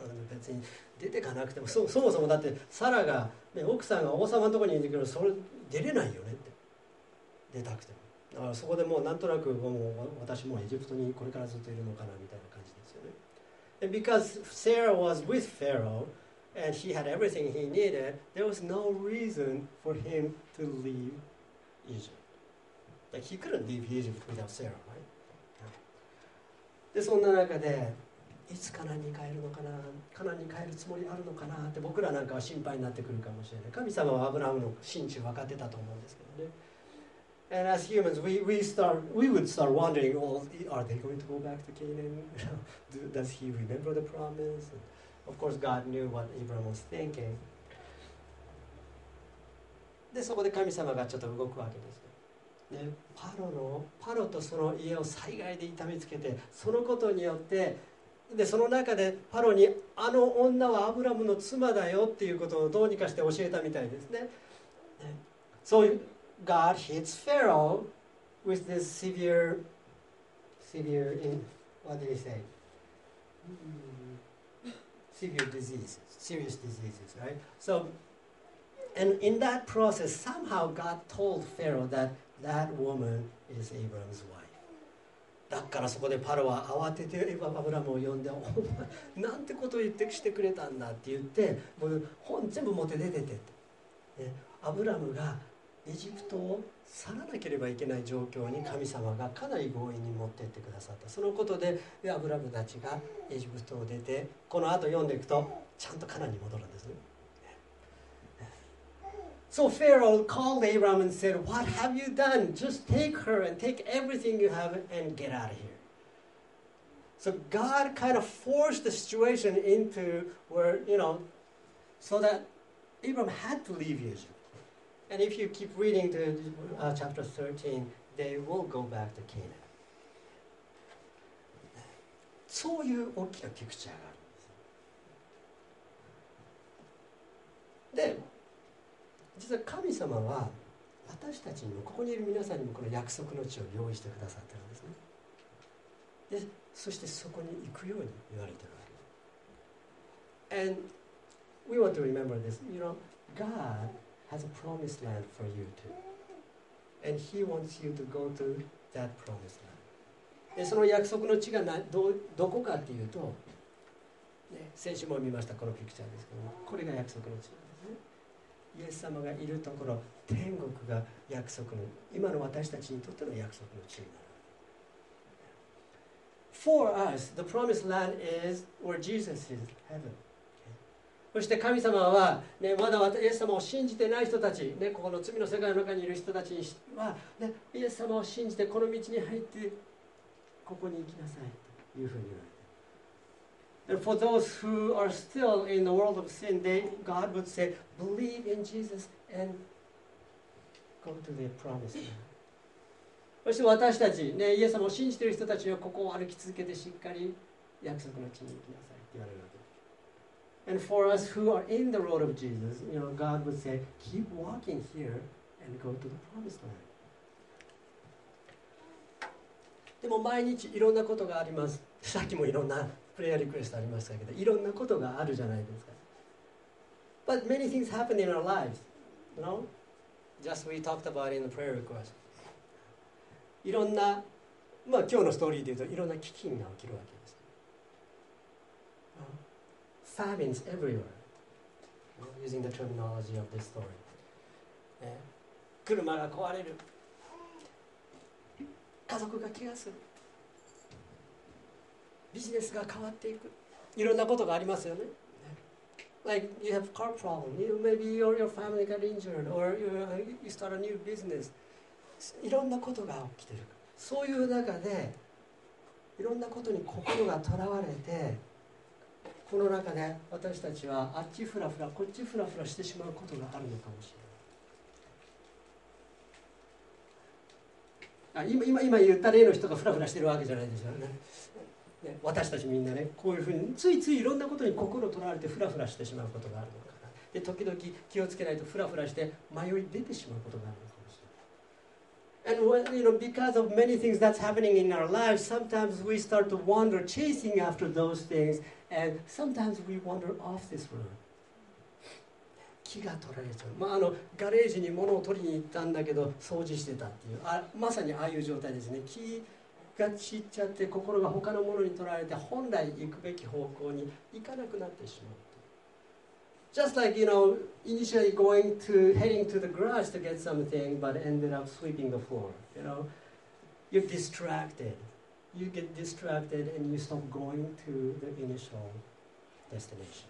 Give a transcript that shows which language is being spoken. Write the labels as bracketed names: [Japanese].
[Japanese] 別に出てかなくても そもそもだってサラが、ね、奥さんが王様のところにいるけどそれ出れないよねって、出たくても、だからそこでもうなんとなくもう私もエジプトにこれからずっといるのかなみたいな感じですよね。 [English] And because Sarah was with Pharaoh and he had everything he needed, there was no reason for him to leave Egypt. Like, he couldn't leave Egypt without Sarah, right? [Japanese] で、そんな中でいつカナンに帰るのかな、カナンに帰るつもりあるのかなって僕らなんかは心配になってくるかもしれない。神様はアブラハムの心中分かってたと思うんですけどね。 [English] And as humans, we would start wondering, well, are they going to go back to Canaan? Does he remember the promise? And of course, God knew what Abraham was thinking. [Japanese] で、そこで神様がちょっと動くわけです。ね、パロとその家を災害で痛めつけて、そのことによってで、その中でパロにあの女はアブラムの妻だよっていうことをどうにかして教えたみたいですね。 [English] So God hits Pharaoh with this severe in, what do you say? Severe disease, serious diseases, right? So, and in that process, somehow God told Pharaoh that that woman is Abraham's wife. [Japanese] だからそこでパロは慌ててアブラムを呼んで、お前なんてことを言ってしてくれたんだって言って、もう本全部持って出てて、ね、アブラムがエジプトを去らなければいけない状況に神様がかなり強引に持ってってくださった。そのことでアブラムたちがエジプトを出て、この後読んでいくとちゃんとカナンに戻るんです。 [English] So Pharaoh called Abram and said, What have you done? Just take her and take everything you have and get out of here. So God kind of forced the situation into where, you know, so that Abram had to leave Egypt. And if you keep reading to chapter 13, they will go back to Canaan. [Japanese] そういう大きなピクチャーがあるんです。で、実は神様は私たちにもここにいる皆さんにもこの約束の地を用意してくださってるんですね。で、そしてそこに行くように言われてるわけです。 [English] And we want to remember this. You know, God has a promised land for you too. And He wants you to go to that promised land. [Japanese] で、その約束の地がどこかっていうと、ね、先週も見ましたこのピクチャーですけども、これが約束の地。イエス様がいるところ、天国が約束の、今の私たちにとっての約束の地になる。 [English] For us, the promised land is where Jesus is, heaven.、Okay? [Japanese] そして神様は、ね、まだイエス様を信じてない人たち、ね、ここの罪の世界の中にいる人たちには、ね、イエス様を信じてこの道に入って、ここに行きなさいというふうに言われて。 [English] And for those who are still in the world of sin, they, God would say, believe in Jesus and go to the promised land. [Japanese] そして私たち、ね、イエス様を信じている人たちはここを歩き続けてしっかり約束の地に行きなさいって言われるわけ。 [English] And for us who are in the road of Jesus, you know, God would say, keep walking here and go to the promised land. [Japanese] でも毎日いろんなことがあります。さっきもいろんなプレイヤーリクエストありましたけど、いろんなことがあるじゃないですか。 [English] But many things happen in our lives, you know? Just we talked about in the prayer request. [Japanese] いろんなまあ、今日のストーリーでいうといろんな飢饉が起きるわけです。 [English] Famines everywhere. Using the terminology of this story.、 [Japanese] ね、車が壊れる。家族が気がする。ビジネスが変わっていく。いろんなことがありますよね。 [English] Like you have car problem, you, maybe or your family got injured, or you start a new business. [Japanese] いろんなことが起きている。そういう中で、いろんなことに心がとらわれて、この中で私たちはあっちフラフラ、こっちフラフラしてしまうことがあるのかもしれない。今言った例の人がフラフラしてるわけじゃないですよね。私たちみんなね、こういうふうについついいろんなことに心を取られてフラフラしてしまうことがあるのかな。で、時々気をつけないとフラフラして迷い出てしまうことがあるのかもしれない。 [English] And when, you know, because of many things that's happening in our lives, sometimes we start to wander, chasing after those things, and sometimes we wander off this road. [Japanese] 気が取られちゃう。まあ、ガレージに物を取りに行ったんだけど、掃除してたっていう、まさにああいう状態ですね。気が散っちゃって心が他のものに取られて本来行くべき方向に行かなくなってしまうと。 [English] Just like, you know, initially going to, heading to the garage to get something, but ended up sweeping the floor. You know, you're distracted. You get distracted and you stop going to the initial destination.